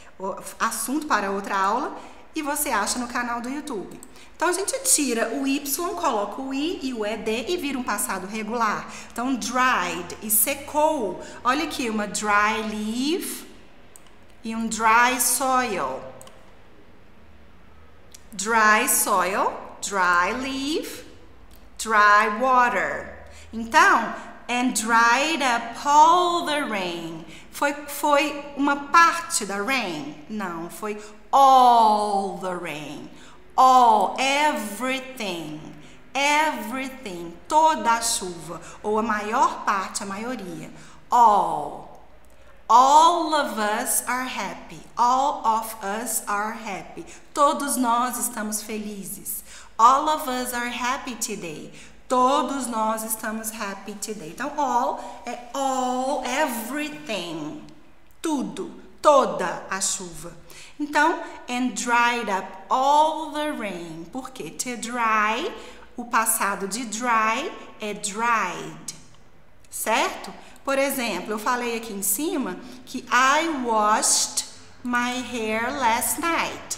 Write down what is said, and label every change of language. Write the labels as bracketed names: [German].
[Portuguese] O assunto para outra aula, e você acha no canal do YouTube. Então, a gente tira o Y, coloca o I e o ED e vira um passado regular. Então, dried e secou. Olha aqui, uma [English] dry leaf [Portuguese] e um [English] dry soil. Dry soil, dry leaf, dry water. Então, and dried up all the rain. [Portuguese] Foi uma parte da rain? Não, foi [English] all the rain. All, everything. Everything, [Portuguese] toda a chuva. Ou a maior parte, a maioria. All. [English] All of us are happy. All of us are happy. [Portuguese] Todos nós estamos felizes. [English] All of us are happy today. [Portuguese] Todos nós estamos [English] happy today. [Portuguese] Então, all é all, everything. Tudo, toda a chuva. [English] Então, and dried up all the rain. [Portuguese] Por quê? To dry, o passado de dry é dried. Certo? Por exemplo, eu falei aqui em cima que [English] I washed my hair last night.